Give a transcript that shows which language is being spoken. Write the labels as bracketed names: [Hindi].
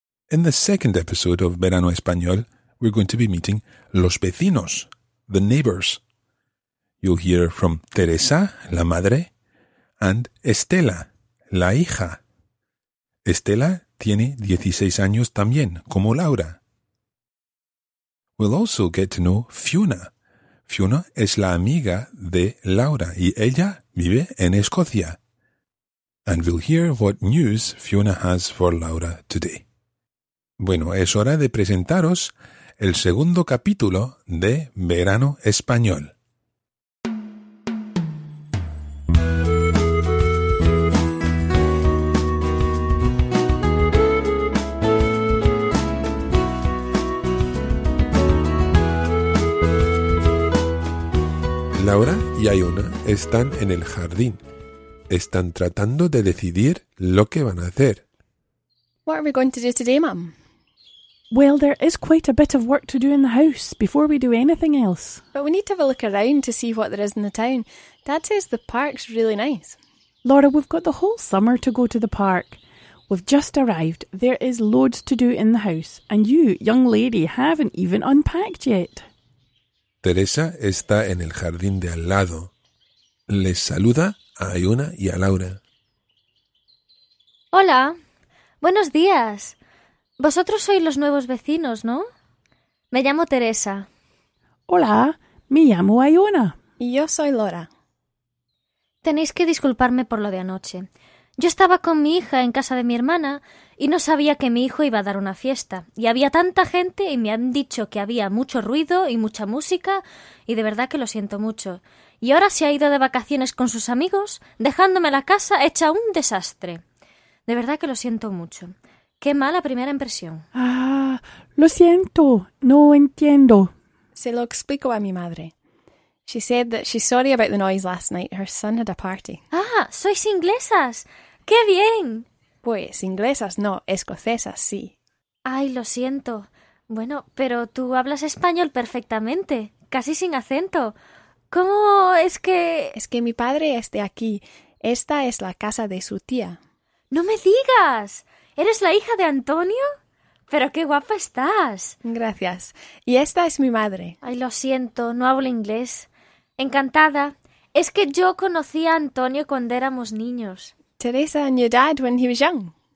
[English] In the second episode of Verano Español, we're going to be meeting [Spanish] los vecinos, [English] the neighbors. You'll hear from Teresa, [Spanish] la madre, [English] and Estela, [Spanish] la hija. Estela tiene 16 años también, como Laura. [English] We'll also get to know Fiona. [Spanish] Fiona es la amiga de Laura y ella vive en Escocia. [English] And we'll hear what news Fiona has for Laura today. [Spanish] Bueno, es hora de presentaros el segundo capítulo de Verano Español. Laura y Iona están en el jardín. Están tratando de decidir lo que van a hacer. [English] What are we going to do today, Mum? Well, there is quite a bit of work to do in the house before we do anything else. But we need to have a look around to see what there is in the town. Dad says the park's really nice. Laura, we've got the whole summer to go to the park. We've just arrived. There is loads to do in the house. And you, young lady, haven't even unpacked yet. [Spanish] Teresa está en el jardín de al lado. Les saluda a Iona y a Laura. Hola, buenos días. Vosotros sois los nuevos vecinos, ¿no? Me llamo Teresa. Hola, me llamo Iona. Y yo soy Laura. Tenéis que disculparme por lo de anoche. Yo estaba con mi hija en casa de mi hermana y no sabía que mi hijo iba a dar una fiesta. Y había tanta gente y me han dicho que había mucho ruido y mucha música y de verdad que lo siento mucho. Y ahora se ha ido de vacaciones con sus amigos, dejándome la casa hecha un desastre. De verdad que lo siento mucho. Qué mala primera impresión. Ah, lo siento. No entiendo. Se lo explico a mi madre. [English] She said that she's sorry about the noise last night. Her son had a party. [Spanish] ¡Ah! ¡Sois inglesas! ¡Qué bien! Pues inglesas no, escocesas sí. ¡Ay, lo siento! Bueno, pero tú hablas español perfectamente, casi sin acento. ¿Cómo es que...? Es que mi padre es de aquí. Esta es la casa de su tía. ¡No me digas! ¿Eres la hija de Antonio? ¡Pero qué guapa estás! Gracias. Y esta es mi madre. Ay, lo siento, no hablo inglés. Encantada. Es que yo conocí a Antonio cuando éramos niños. [English] Teresa and your dad when he was young.